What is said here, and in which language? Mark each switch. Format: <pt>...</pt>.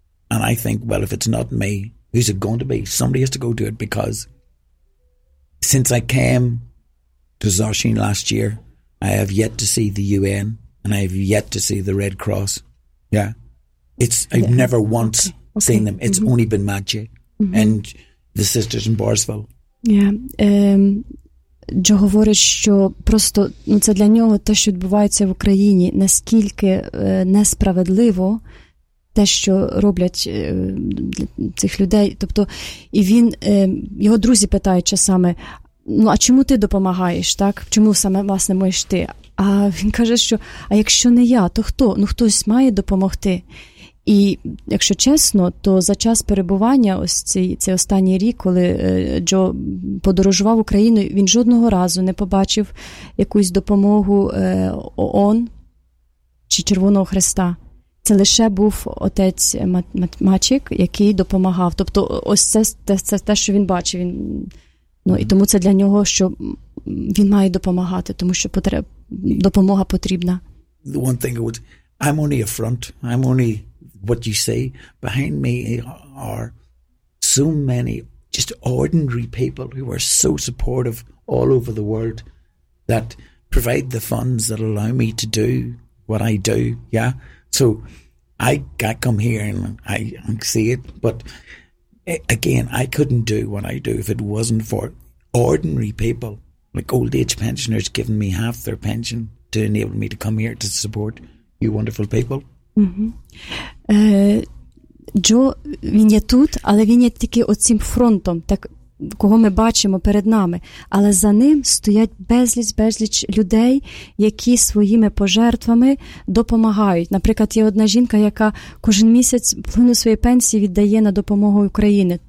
<en>And I think, well, if it's not me, who's it going to be? Somebody has to go do it, because since I came to Zoshin last year, I have yet to see the UN and I have yet to see the Red Cross. Yeah. I've never once seen them. It's only been Maciej and the sisters in Borsville. Yeah.</en> <uk>Джо говорить, що просто, ну, це для нього те, що відбувається в Україні, наскільки несправедливо те, що роблять цих людей. Тобто, і він, його друзі питають часами, ну, а чому ти допомагаєш, так? Чому саме, власне, маєш ти? А він каже, що, а якщо не я, то хто? Ну, хтось має допомогти. І, якщо чесно, то за час перебування, ось цей останній рік, коли Джо подорожував Україною, він жодного разу не побачив якусь допомогу ООН чи Червоного Хреста. Це лише був отець Мачик, який допомагав. Тобто, ось це те, що він бачив. Він, ну, і тому це для нього, що він має допомагати, тому що допомога потрібна.</uk> <en>The one thing would, I'm only a front, I'm only what you say. Behind me are so many just ordinary people who are so supportive all over the world that provide the funds that allow me to do what I do. Yeah. So I come here and I see it, but again, I couldn't do what I do if it wasn't for ordinary people, like old age pensioners giving me half their pension to enable me to come here to support you wonderful people.</en> <uk>Джо, він є тут, але він є тільки оцим фронтом, так, кого ми бачимо перед нами. Але за ним стоять безліч людей, які своїми пожертвами допомагають. Наприклад, є одна жінка, яка кожен місяць половину своєї пенсії віддає на допомогу Україні.</uk>